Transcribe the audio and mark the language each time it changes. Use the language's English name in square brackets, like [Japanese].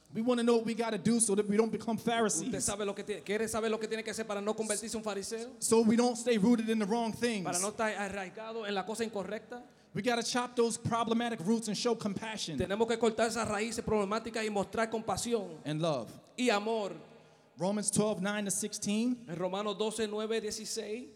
[English] We want to know what we got to do so that we don't become Pharisees. [Spanish] ¿Usted sabe lo que tiene, quiere saber lo que tiene que hacer para no convertirse en fariseo? [English] So we don't stay rooted in the wrong things. [Spanish] Para no estar arraigado en la cosa incorrecta. [English] We got to chop those problematic roots and show compassion. [Spanish] Tenemos que cortar esas raíces problemáticas y mostrar compasión. [English] And love. [Spanish] Y amor. [English] Romans 12:9-16. [Spanish] En Romanos 12:9-16.